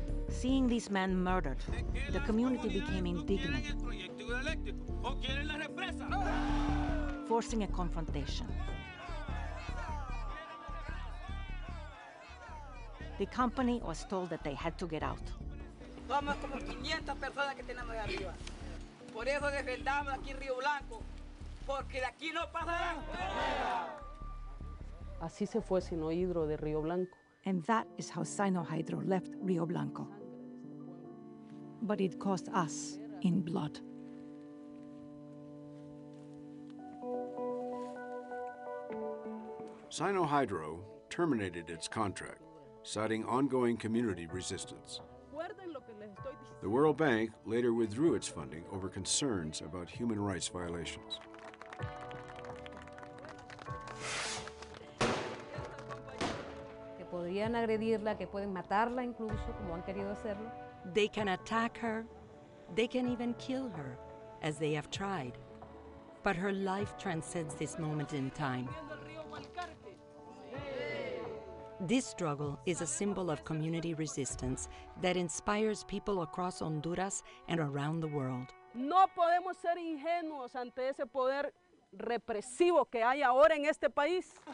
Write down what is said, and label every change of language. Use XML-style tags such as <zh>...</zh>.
<en>Seeing this man murdered, the community became indignant, forcing a confrontation. The company was told that they had to get out.</en> <es>Somos como 500 personas que tenemos arriba. Por eso defendamos aquí en Río Blanco, porque de aquí no pasará. Así se fue Sino Hidro de Río Blanco.</es> <en>And that is how Sino Hidro left Río Blanco. But it cost us in blood. Sino Hidro terminated its contract, citing ongoing community resistance. The World Bank later withdrew its funding over concerns about human rights violations.</en> <es>Que podrían agredirla, que pueden matarla incluso, como han querido hacerlo.</es> <en>They can attack her. They can even kill her, as they have tried. But her life transcends this moment in time. This struggle is a symbol of community resistance that inspires people across Honduras and around the world.</en> <es>No podemos ser ingenuos ante ese poder represivo que hay ahora en este país.</es>